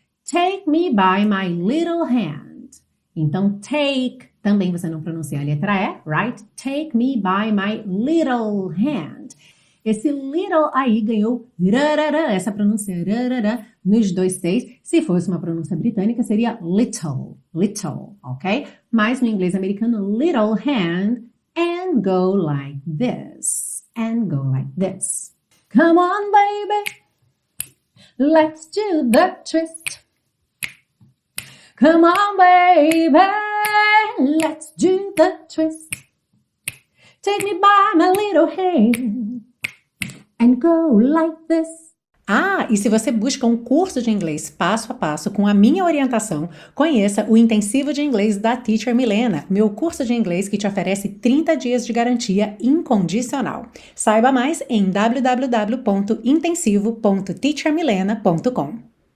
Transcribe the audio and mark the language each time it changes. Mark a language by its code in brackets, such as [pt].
[en] Take me by my little hand. [pt] Então, take, também você não pronuncia a letra E, right? [en] Take me by my little hand. [pt] Esse little aí ganhou rarara, essa pronúncia rarara, nos dois T's. Se fosse uma pronúncia britânica, seria little, little, ok? Mas no inglês americano, [en] little hand, and go like this, and go like this. Come on, baby, let's do the twist. Come on, baby, let's do the twist. Take me by my little hand and go like this. [pt] Ah, e se você busca um curso de inglês passo a passo com a minha orientação, conheça o Intensivo de Inglês da Teacher Milena, meu curso de inglês que te oferece 30 dias de garantia incondicional. Saiba mais em www.intensivo.teachermilena.com.